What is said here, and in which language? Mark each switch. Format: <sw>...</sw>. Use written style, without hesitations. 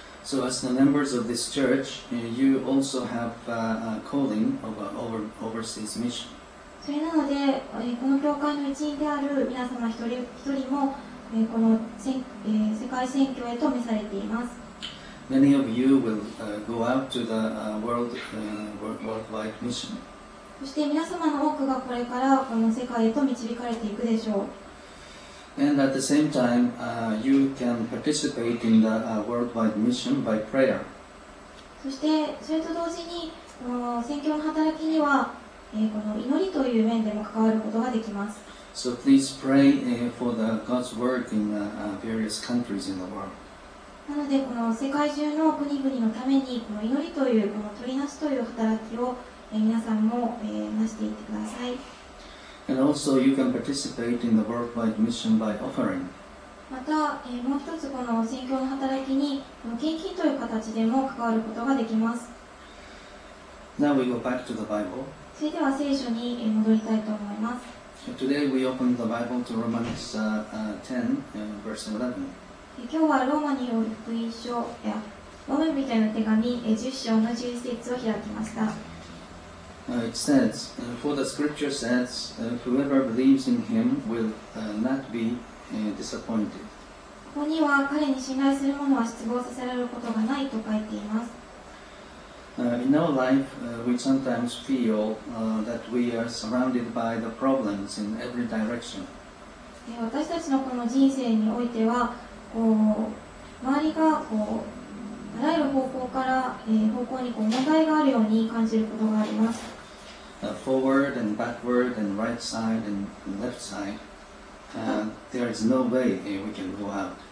<en>So as the members of this church, you also have a calling of an overseas mission.</en> <ja>それなので、この教会の一員である皆様一人も、この世界宣教へと召されています。</ja> <en>Many of you will go out to the worldwide mission.</en> <ja>そして皆様の多くがこれからこの世界へと導かれていくでしょう。</ja> <en>And at the same time, you can participate in the worldwide mission by prayer.</en> <ja>そしてそれと同時に、宣教の働きには、この祈りという面でも関わることができます。</ja> <en>So please pray for the God's work in various countries in the world.</en> <ja>なのでこの世界中の国々のためにこの祈りというこの取りなすという働きを、皆さんも、なしていってください。</ja> <en>And also you can participate in the worldwide mission by offering.</en> <ja>また、もう一つこの宣教の働きに献金という形でも関わることができます。</ja> <en>Now we go back to the Bible.</en> <ja>それでは聖書に戻りたいと思います。</ja> <en>So、today we open the Bible to Romans 10 verse 11.</en> <ja>今日はローマによる福音書、ローマ人への手紙10章の11節を開きました。</ja> <en>It says, for the scripture says, whoever believes in him will not be disappointed.</en> <ja>ここには彼に信頼する者は失望させられることがないと書いています。</ja> <en>In our life, we sometimes feel that we are surrounded by the problems in every direction.</en> <ja>私たちのこの人生においては、こう周りがこうあらゆる方向から、方向にこう問題があるように感じることがあります。</ja> <en>Forward and backward and right side and left side, there is no way we can go out.</en>